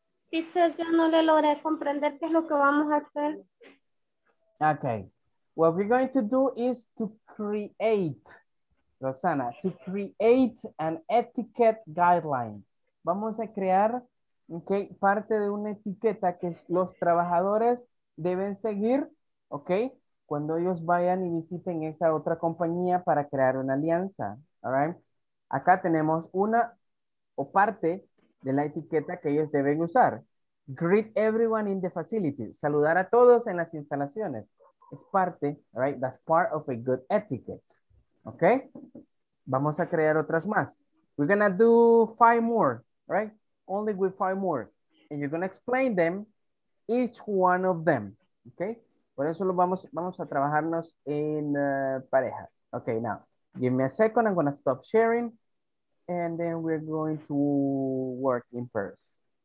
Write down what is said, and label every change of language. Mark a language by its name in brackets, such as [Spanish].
[English] It says [Spanish] yo no le logré comprender qué es lo que vamos a hacer. [English] Okay, what we're going to do is to create, Roxana, to create an etiquette guideline. [Spanish] Vamos a crear, okay, parte de una etiqueta que es los trabajadores deben seguir, ok, cuando ellos vayan y visiten esa otra compañía para crear una alianza, [English] all right. [Spanish] Acá tenemos una o parte de la etiqueta que ellos deben usar. [English] Greet everyone in the facility. [Spanish] Saludar a todos en las instalaciones. Es parte, [English] all right, that's part of a good etiquette, ok. [Spanish] Vamos a crear otras más. [English] We're gonna do 5 more, all right, only with 5 more. And you're gonna explain them. Each one of them, okay? [Spanish] Por eso lo vamos a trabajarnos en pareja. [English] Okay, now, give me a second. I'm going to stop sharing. And then we're going to work in pairs.